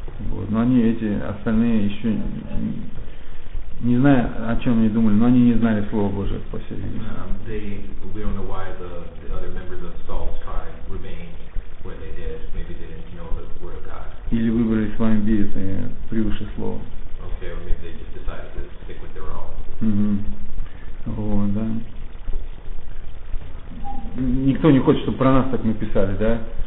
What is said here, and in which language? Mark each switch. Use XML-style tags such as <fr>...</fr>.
<ru>Вот. Но они, эти остальные, еще не знаю, о чем они думали, но они не знали Слова Божие по сей день.</ru> <en>We don't know why the other members of Saul's tribe remained where they did. Maybe they didn't know the word of God.</en> <ru>Или выбрали с вами биться превыше слова.</ru> <en>Okay, or maybe they just decided to stick with their own.</en> <ru>Вот, да. Никто не хочет, чтобы про нас так написали, да?</ru>